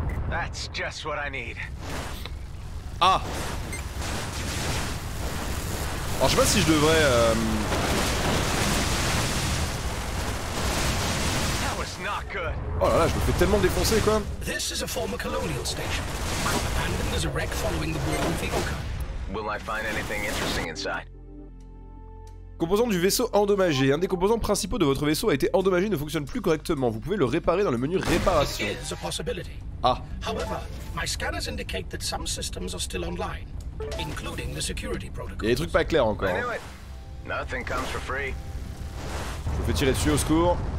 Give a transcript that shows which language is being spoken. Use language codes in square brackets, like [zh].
[en] That's just what I need. Ah! [fr] Alors je sais pas si je devrais. [en] That was not good. [fr] Oh là là, je me fais tellement défoncer quoi! [en] This is a former colonial station. Abandoned as a wreck following the war with the Oka. Will I find anything interesting inside? [fr] Composant du vaisseau endommagé. Un des composants principaux de votre vaisseau a été endommagé et ne fonctionne plus correctement. Vous pouvez le réparer dans le menu réparation. Ah. [en] However, my scanners indicate that some systems are still online, including the security protocols. [fr] Il y a des trucs pas clairs encore. [en] Nothing comes for free. [fr] Je vous fais tirer dessus au secours.